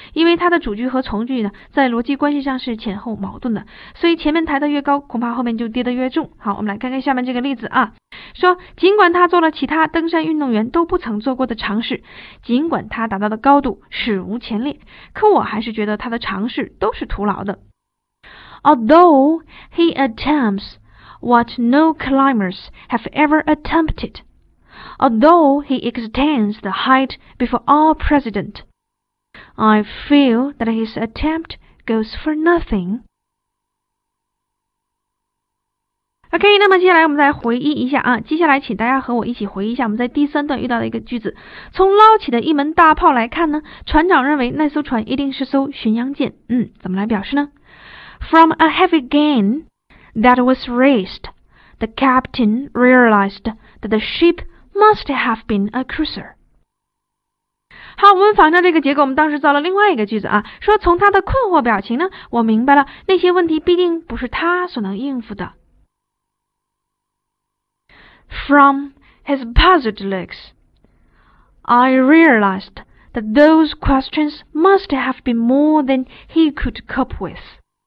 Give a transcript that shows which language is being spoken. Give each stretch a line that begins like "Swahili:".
Chinese: 因为它的主句和从句呢，在逻辑关系上是前后矛盾的，所以前面抬得越高，恐怕后面就跌得越重。好，我们来看看下面这个例子啊，说尽管他做了其他登山运动员都不曾做过的尝试，尽管他达到的高度史无前例，可我还是觉得他的尝试都是徒劳的。
English: Although he attempts what no climbers have ever attempted, although he extends the height before all precedent, I feel that his attempt goes for nothing.
Chinese: OK，那么接下来我们再回忆一下啊，接下来请大家和我一起回忆一下我们在第三段遇到的一个句子。从捞起的一门大炮来看呢，船长认为那艘船一定是艘巡洋舰。怎么来表示呢？
English: From a heavy gun that was raised, the captain realized that the ship must have been a cruiser。
Chinese: 好，我们仿照这个结构，我们当时造了另外一个句子啊，说从他的困惑表情呢，我明白了那些问题必定不是他所能应付的。
English: From his puzzled looks, I realized that those questions must have been more than he could cope with。